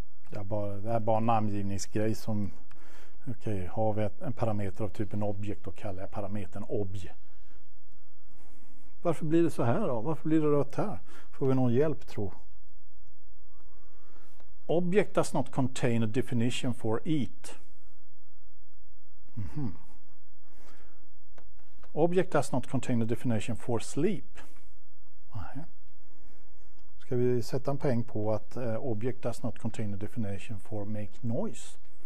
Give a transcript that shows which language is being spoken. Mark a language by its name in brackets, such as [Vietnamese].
[Swedish] Det är bara en namngivningsgrej som... Okej, har vi en parameter av typen objekt, och kallar jag parametern obj. Varför blir det så här då? Varför blir det rött här? Får vi någon hjälp, tro? [English] Object does not contain a definition for eat. Mm-hmm. Object does not contain a definition for sleep. [Swedish] Nej. Ska vi sätta en peng på att [English] object does not contain a definition for make noise?